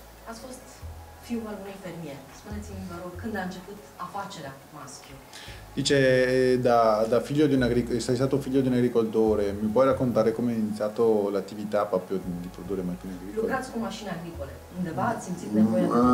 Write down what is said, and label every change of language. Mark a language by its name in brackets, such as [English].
[Romanian] Ați fost fiul unui fermier. Spuneți-mi, vă rog, când a început afacerea Maschio? [Italian] Dice, da figlio di un agricoltore, sei stato figlio di un agricoltore, mi puoi raccontare come è iniziato l'attività proprio di produrre macchine agricole? [Romanian] Lucrați cu mașini agricole, undeva ați simțit nevoia?